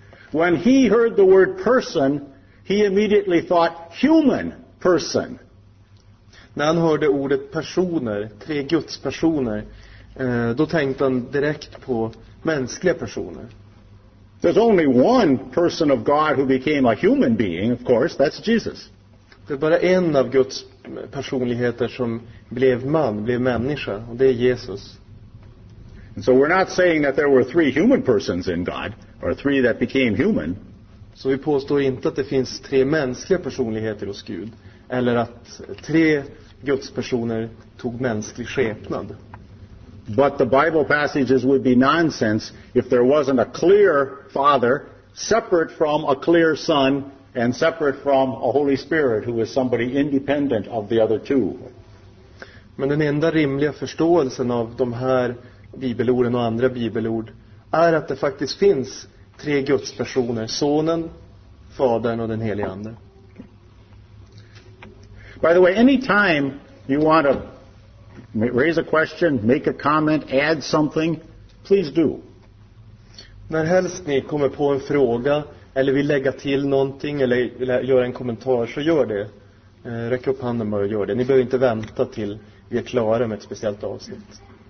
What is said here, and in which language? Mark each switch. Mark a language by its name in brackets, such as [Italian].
[English] When he heard the word person, he immediately thought human person. [Swedish] När han hörde ordet personer, tre gudspersoner, då tänkte han direkt på mänskliga personer. [English] There's only one person of God who became a human being, of course, that's Jesus. [Swedish] Det är bara en av Guds personligheter som blev man, blev människa, och det är Jesus. [English] And so we're not saying that there were three human persons in God, or three that became human. [Swedish] Så vi påstår inte att det finns tre mänskliga personligheter hos Gud, eller att tre Guds personer tog mänsklig skepnad. [English] But the Bible passages would be nonsense if there wasn't a clear Father, separate from a clear Son and separate from a Holy Spirit who is somebody independent of the other two. [Swedish] Men den enda rimliga förståelsen av de här bibelorden och andra bibelord är att det faktiskt finns tre gudspersoner, Sonen, Fadern och den helige Ande. [English] By the way, any time you want to raise a question, make a comment, add something, please do. [Swedish] När helst ni kommer på en fråga eller vill lägga till någonting eller göra en kommentar, så gör det. Räck upp handen bara och gör det. Ni behöver inte vänta till vi är klara med ett speciellt avsnitt.